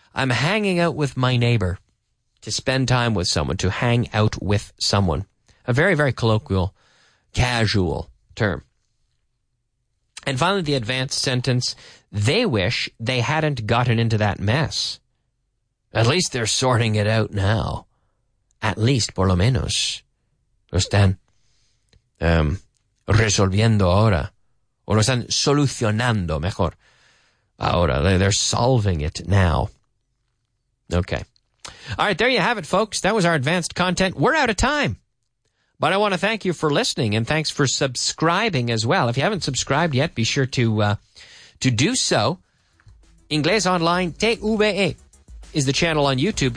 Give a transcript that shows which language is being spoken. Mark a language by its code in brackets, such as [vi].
[en] I'm hanging out with my neighbor, to spend time with someone, to hang out with someone. A very, very colloquial, casual term. And finally, the advanced sentence, they wish they hadn't gotten into that mess. At least they're sorting it out now. At least, [es] por lo menos, lo están resolviendo ahora. O lo están solucionando mejor ahora. [en] They're solving it now. Okay. All right, there you have it, folks. That was our advanced content. We're out of time. But I want to thank you for listening, and thanks for subscribing as well. If you haven't subscribed yet, be sure to do so. Inglés Online TVE is the channel on YouTube.